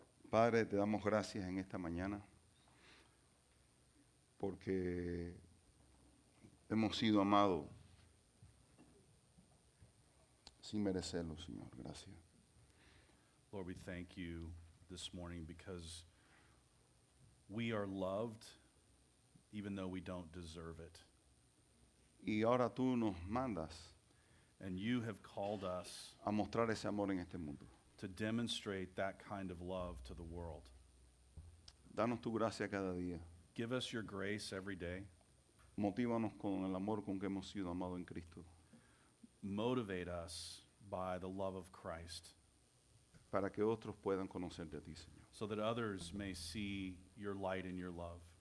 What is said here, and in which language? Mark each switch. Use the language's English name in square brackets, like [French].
[Spanish] Padre, te damos gracias en esta mañana porque hemos sido amados sin merecerlo, Señor. Gracias. [English] Lord, we thank you this morning because we are loved even though we don't deserve it. [Spanish] Y ahora tú nos mandas. [English] And you have called us [Spanish] a mostrar ese amor en este mundo. [English] To demonstrate that kind of love to the world. [Spanish] Danos tu gracia cada día. [English] Give us your grace every day. [Spanish] Motívanos con el amor con que hemos sido amado en Cristo. [English] Motivate us by the love of Christ. [Spanish] Para que otros puedan conocerte a ti, Señor. [English] So that others may see your light and your love.